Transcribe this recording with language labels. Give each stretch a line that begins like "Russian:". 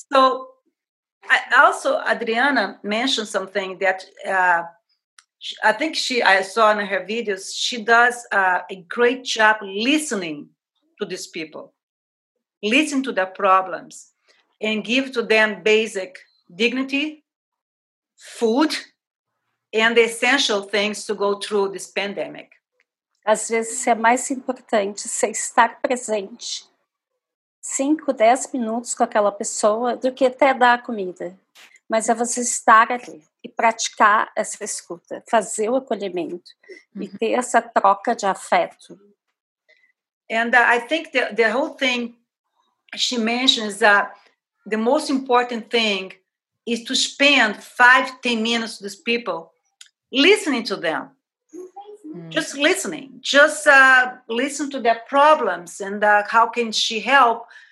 English: So also Adriana mentioned something that I think I saw in her videos, she does a great job listening to these people, listen to their problems, and give to them basic dignity, food, and the essential things to go through this pandemic.
Portuguese: Às vezes é mais importante você estar presente 5, 10 minutos com aquela pessoa do que até dar a comida. Mas é você estar ali e praticar essa escuta, fazer o acolhimento e ter essa troca de afeto.
English: And I think the whole thing she mentions is that the most important thing is to spend 5-10 minutes with these people listening to them. Just listening. Just listen to their problems and how can she help.